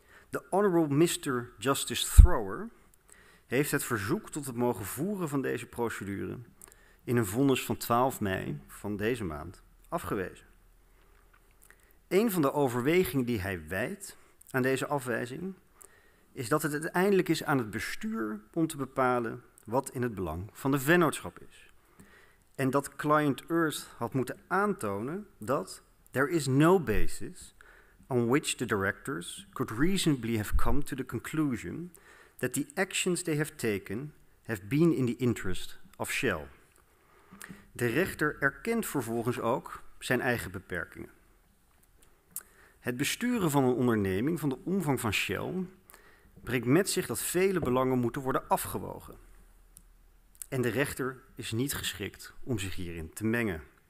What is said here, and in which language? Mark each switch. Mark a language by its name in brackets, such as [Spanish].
[Dutch] De Honorable Mr. Justice Thrower heeft het verzoek tot het mogen voeren van deze procedure in een vonnis van 12 mei van deze maand afgewezen. Een van de overwegingen die hij wijdt aan deze afwijzing is dat het uiteindelijk is aan het bestuur om te bepalen wat in het belang van de vennootschap is. En dat Client Earth had moeten aantonen dat [English] there is no basis on which the directors could reasonably have come to the conclusion that the actions they have taken have been in the interest of Shell. [Dutch] De rechter erkent vervolgens ook zijn eigen beperkingen. Het besturen van een onderneming van de omvang van Shell brengt met zich dat vele belangen moeten worden afgewogen. En de rechter is niet geschikt om zich hierin te mengen.